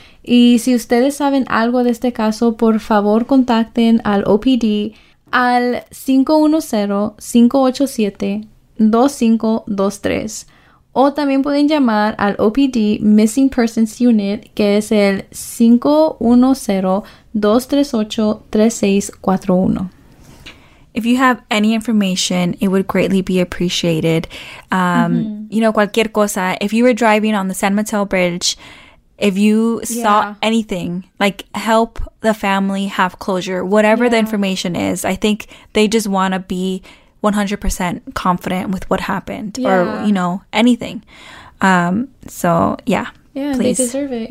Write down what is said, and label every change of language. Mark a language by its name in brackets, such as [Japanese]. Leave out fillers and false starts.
[Spanish] Y si ustedes saben algo de este caso, por favor contacten al OPD al 510-587-2523. O también pueden llamar al OPD Missing Persons Unit, que es el 510-238-3641. [English] If you have any information, it would greatly be appreciated. You know, [Spanish] cualquier cosa. [English] If you were driving on the San Mateo Bridge, if you saw anything, like, help the family have closure, whatever the information is. I think they just want to be 100% confident with what happened or, you know, anything. Please. They deserve it.